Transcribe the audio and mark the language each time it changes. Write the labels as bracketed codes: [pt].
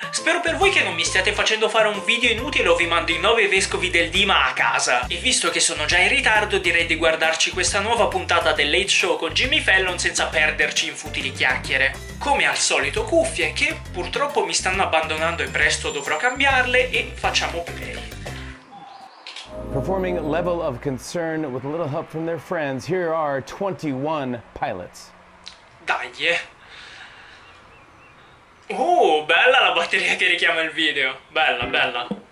[it] Spero per voi che non mi stiate facendo fare un video inutile o vi mando i 9 vescovi del Dima a casa. E visto che sono già in ritardo, direi di guardarci questa nuova puntata del Late Show con Jimmy Fallon senza perderci in futili chiacchiere. Come al solito cuffie, che purtroppo mi stanno abbandonando e presto dovrò cambiarle, e facciamo play. [en] Performing level of concern with a little help from their friends, here are 21 pilots. [it] Dai. Oh, bella la batteria che richiama il video. Bella, bella.